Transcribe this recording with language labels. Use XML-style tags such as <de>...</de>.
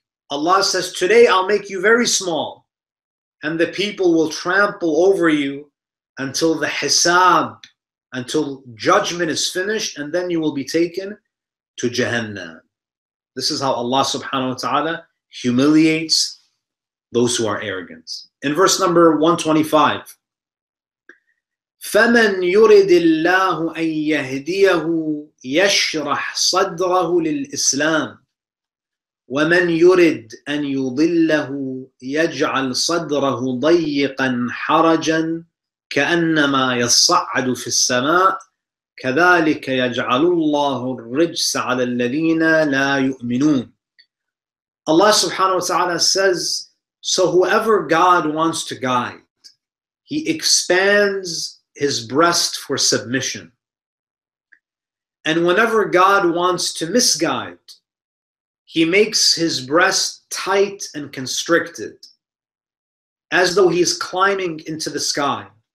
<en>Allah says, today I'll make you very small. And the people will trample over you until the hisab, until judgment is finished, and then you will be taken to Jahannam. This is how Allah subhanahu wa ta'ala humiliates those who are arrogant. In verse number 125,</en> <ar>فَمَنْ يُرِدِ اللَّهُ أَن يَهْدِيَهُ يَشْرَحْ صَدْرَهُ لِلْإِسْلَامِ وَمَنْ يُرِدْ أَن يُضِلَّهُ يَجْعَلْ صَدْرَهُ ضَيِّقًا حَرَجًا كَأَنَّمَا يَصَّعَّدُ فِي السَّمَاءِ كَذَلِكَ يَجْعَلُ اللَّهُ الرِّجْسَ عَلَى الَّذِينَ لَا يُؤْمِنُونَ.</ar> <en>Allah subhanahu wa ta'ala says, so whoever God wants to guide, He expands His breast for submission. And whenever God wants to misguide, He makes His breast tight and constricted, as though He's climbing into the sky.</en>